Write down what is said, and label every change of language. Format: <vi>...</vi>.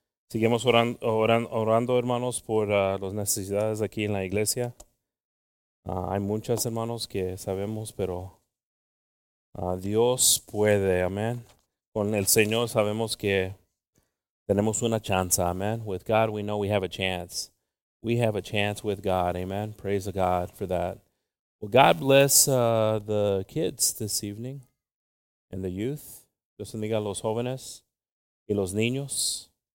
<es>Seguimos orando, hermanos, por las necesidades aquí en la iglesia. Hay muchas, hermanos, que sabemos, pero Dios puede. Amén. Con el Señor sabemos que tenemos una chance, amen.</es> <en>With God, we know we have a chance. We have a chance with God, amen. Praise God for that. Well, God bless the kids this evening and the youth.</en> <es>Dios bendiga a los jóvenes y los niños.</es>